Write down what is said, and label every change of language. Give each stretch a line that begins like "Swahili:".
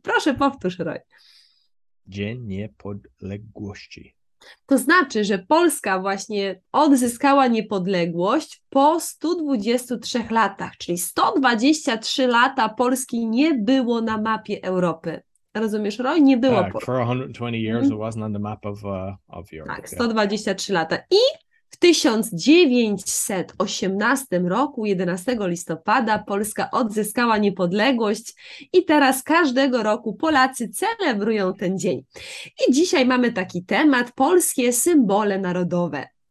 Polish: Proszę, powtórz, Roy. Dzień Niepodległości. To znaczy, że Polska właśnie odzyskała niepodległość po 123 latach, czyli 123 lata Polski nie było na mapie Europy. Rozumiesz, Roy? Nie było Polski.
English: For 120 years it wasn't on the map of Europe.
Polish: Tak, 123 lata. I w 1918 roku, 11 listopada, Polska odzyskała niepodległość i teraz każdego roku Polacy celebrują ten dzień. I dzisiaj mamy taki temat, polskie symbole narodowe.